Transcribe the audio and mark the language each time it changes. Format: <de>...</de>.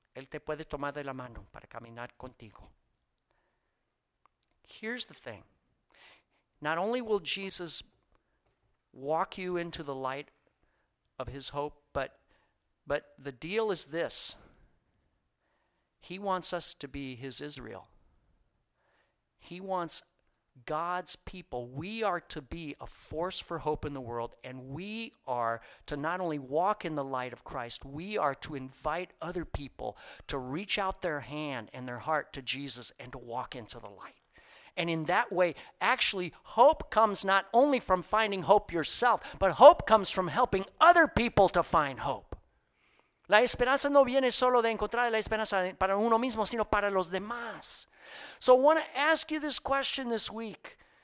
<es>Él te puede tomar de la mano para caminar contigo.</es> <en>Here's the thing. Not only will Jesus walk you into the light of his hope, but the deal is this. He wants us to be his Israel. He wants God's people. We are to be a force for hope in the world, and we are to not only walk in the light of Christ, we are to invite other people to reach out their hand and their heart to Jesus and to walk into the light. And in that way, actually, hope comes not only from finding hope yourself, but hope comes from helping other people to find hope.</en> <es>La esperanza no viene solo de encontrar la esperanza para uno mismo, sino para los demás.</es> <en>So I want to ask you this question this week.</en>